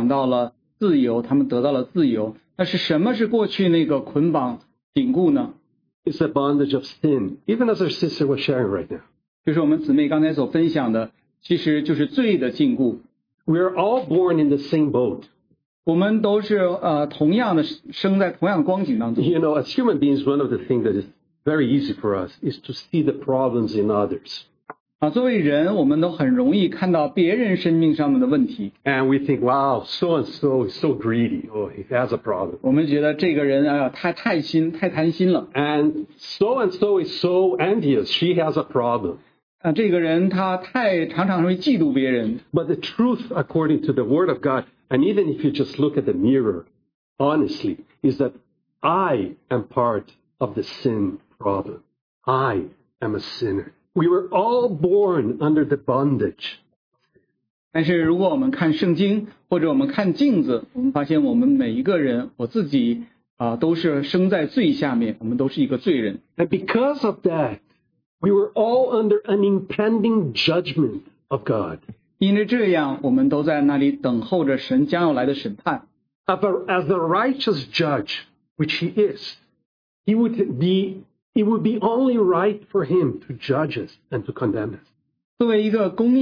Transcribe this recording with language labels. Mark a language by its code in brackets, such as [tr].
[zh] 今天我们当中好几个见证都讲到了自由,他们得到了自由。那是什么是过去那个捆绑禁锢呢? [en] It's a bondage of sin, even as our sister was sharing right now. [zh] 就是我们姊妹刚才所分享的,其实就是罪的禁锢。 [en] We are all born in the same boat. [zh] 我们都是同样的,生在同样的光景当中。 [en] You know, as human beings, one of the things that is very easy for us is to see the problems in others. [zh] 作为人,我们都很容易看到别人生命上面的问题。 [en] And we think, wow, so-and-so is so greedy. Oh, he has a problem. [zh] 我们觉得这个人,他太贪心了。 [en] And so-and-so is so envious. She has a problem. [zh] 这个人,他太常常会嫉妒别人。 [en] But the truth, according to the Word of God, and even if you just look at the mirror, honestly, is that I am part of the sin problem. I am a sinner. We were all born under the bondage. [zh] 但是如果我们看圣经,或者我们看镜子,我们发现我们每一个人,我自己都是生在罪下面,我们都是一个罪人。 [en] And because of that, we were all under an impending judgment of God. [zh] 因为这样,我们都在那里等候着神将要来的审判。 [en] As the righteous judge, which he is, he would be... It would be only right for him to judge us and to condemn us.